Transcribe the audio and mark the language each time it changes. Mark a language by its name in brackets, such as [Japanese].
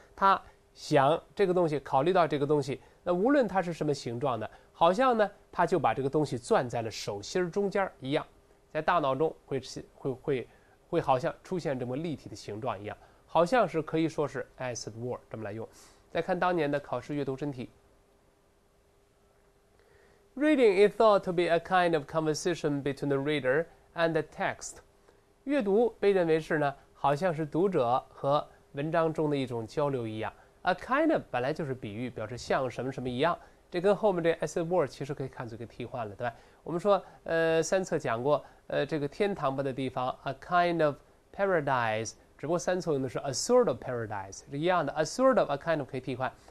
[Chinese] 他想这个东西，考虑到这个东西，那无论它是什么形状的，好像呢，他就把这个东西攥在了手心中间一样，在大脑中会好像出现这么立体的形状一样，好像是可以说是 as it were 这么来用。再看当年的考试阅读真题 ， [English] Reading is thought to be a kind of conversation between the reader and the text。 [Chinese] 阅读被认为是呢，好像是读者和文章中的一种交流一样。 A kind of 本来就是比喻，表示像什么什么一样。这跟后面这 as it were 其实可以看作一个替换了，对吧？我们说，三册讲过，这个天堂般的地方 ，a kind of paradise， 只不过三册用的是 a sort of paradise， 是一样的。a sort of a kind of 可以替换。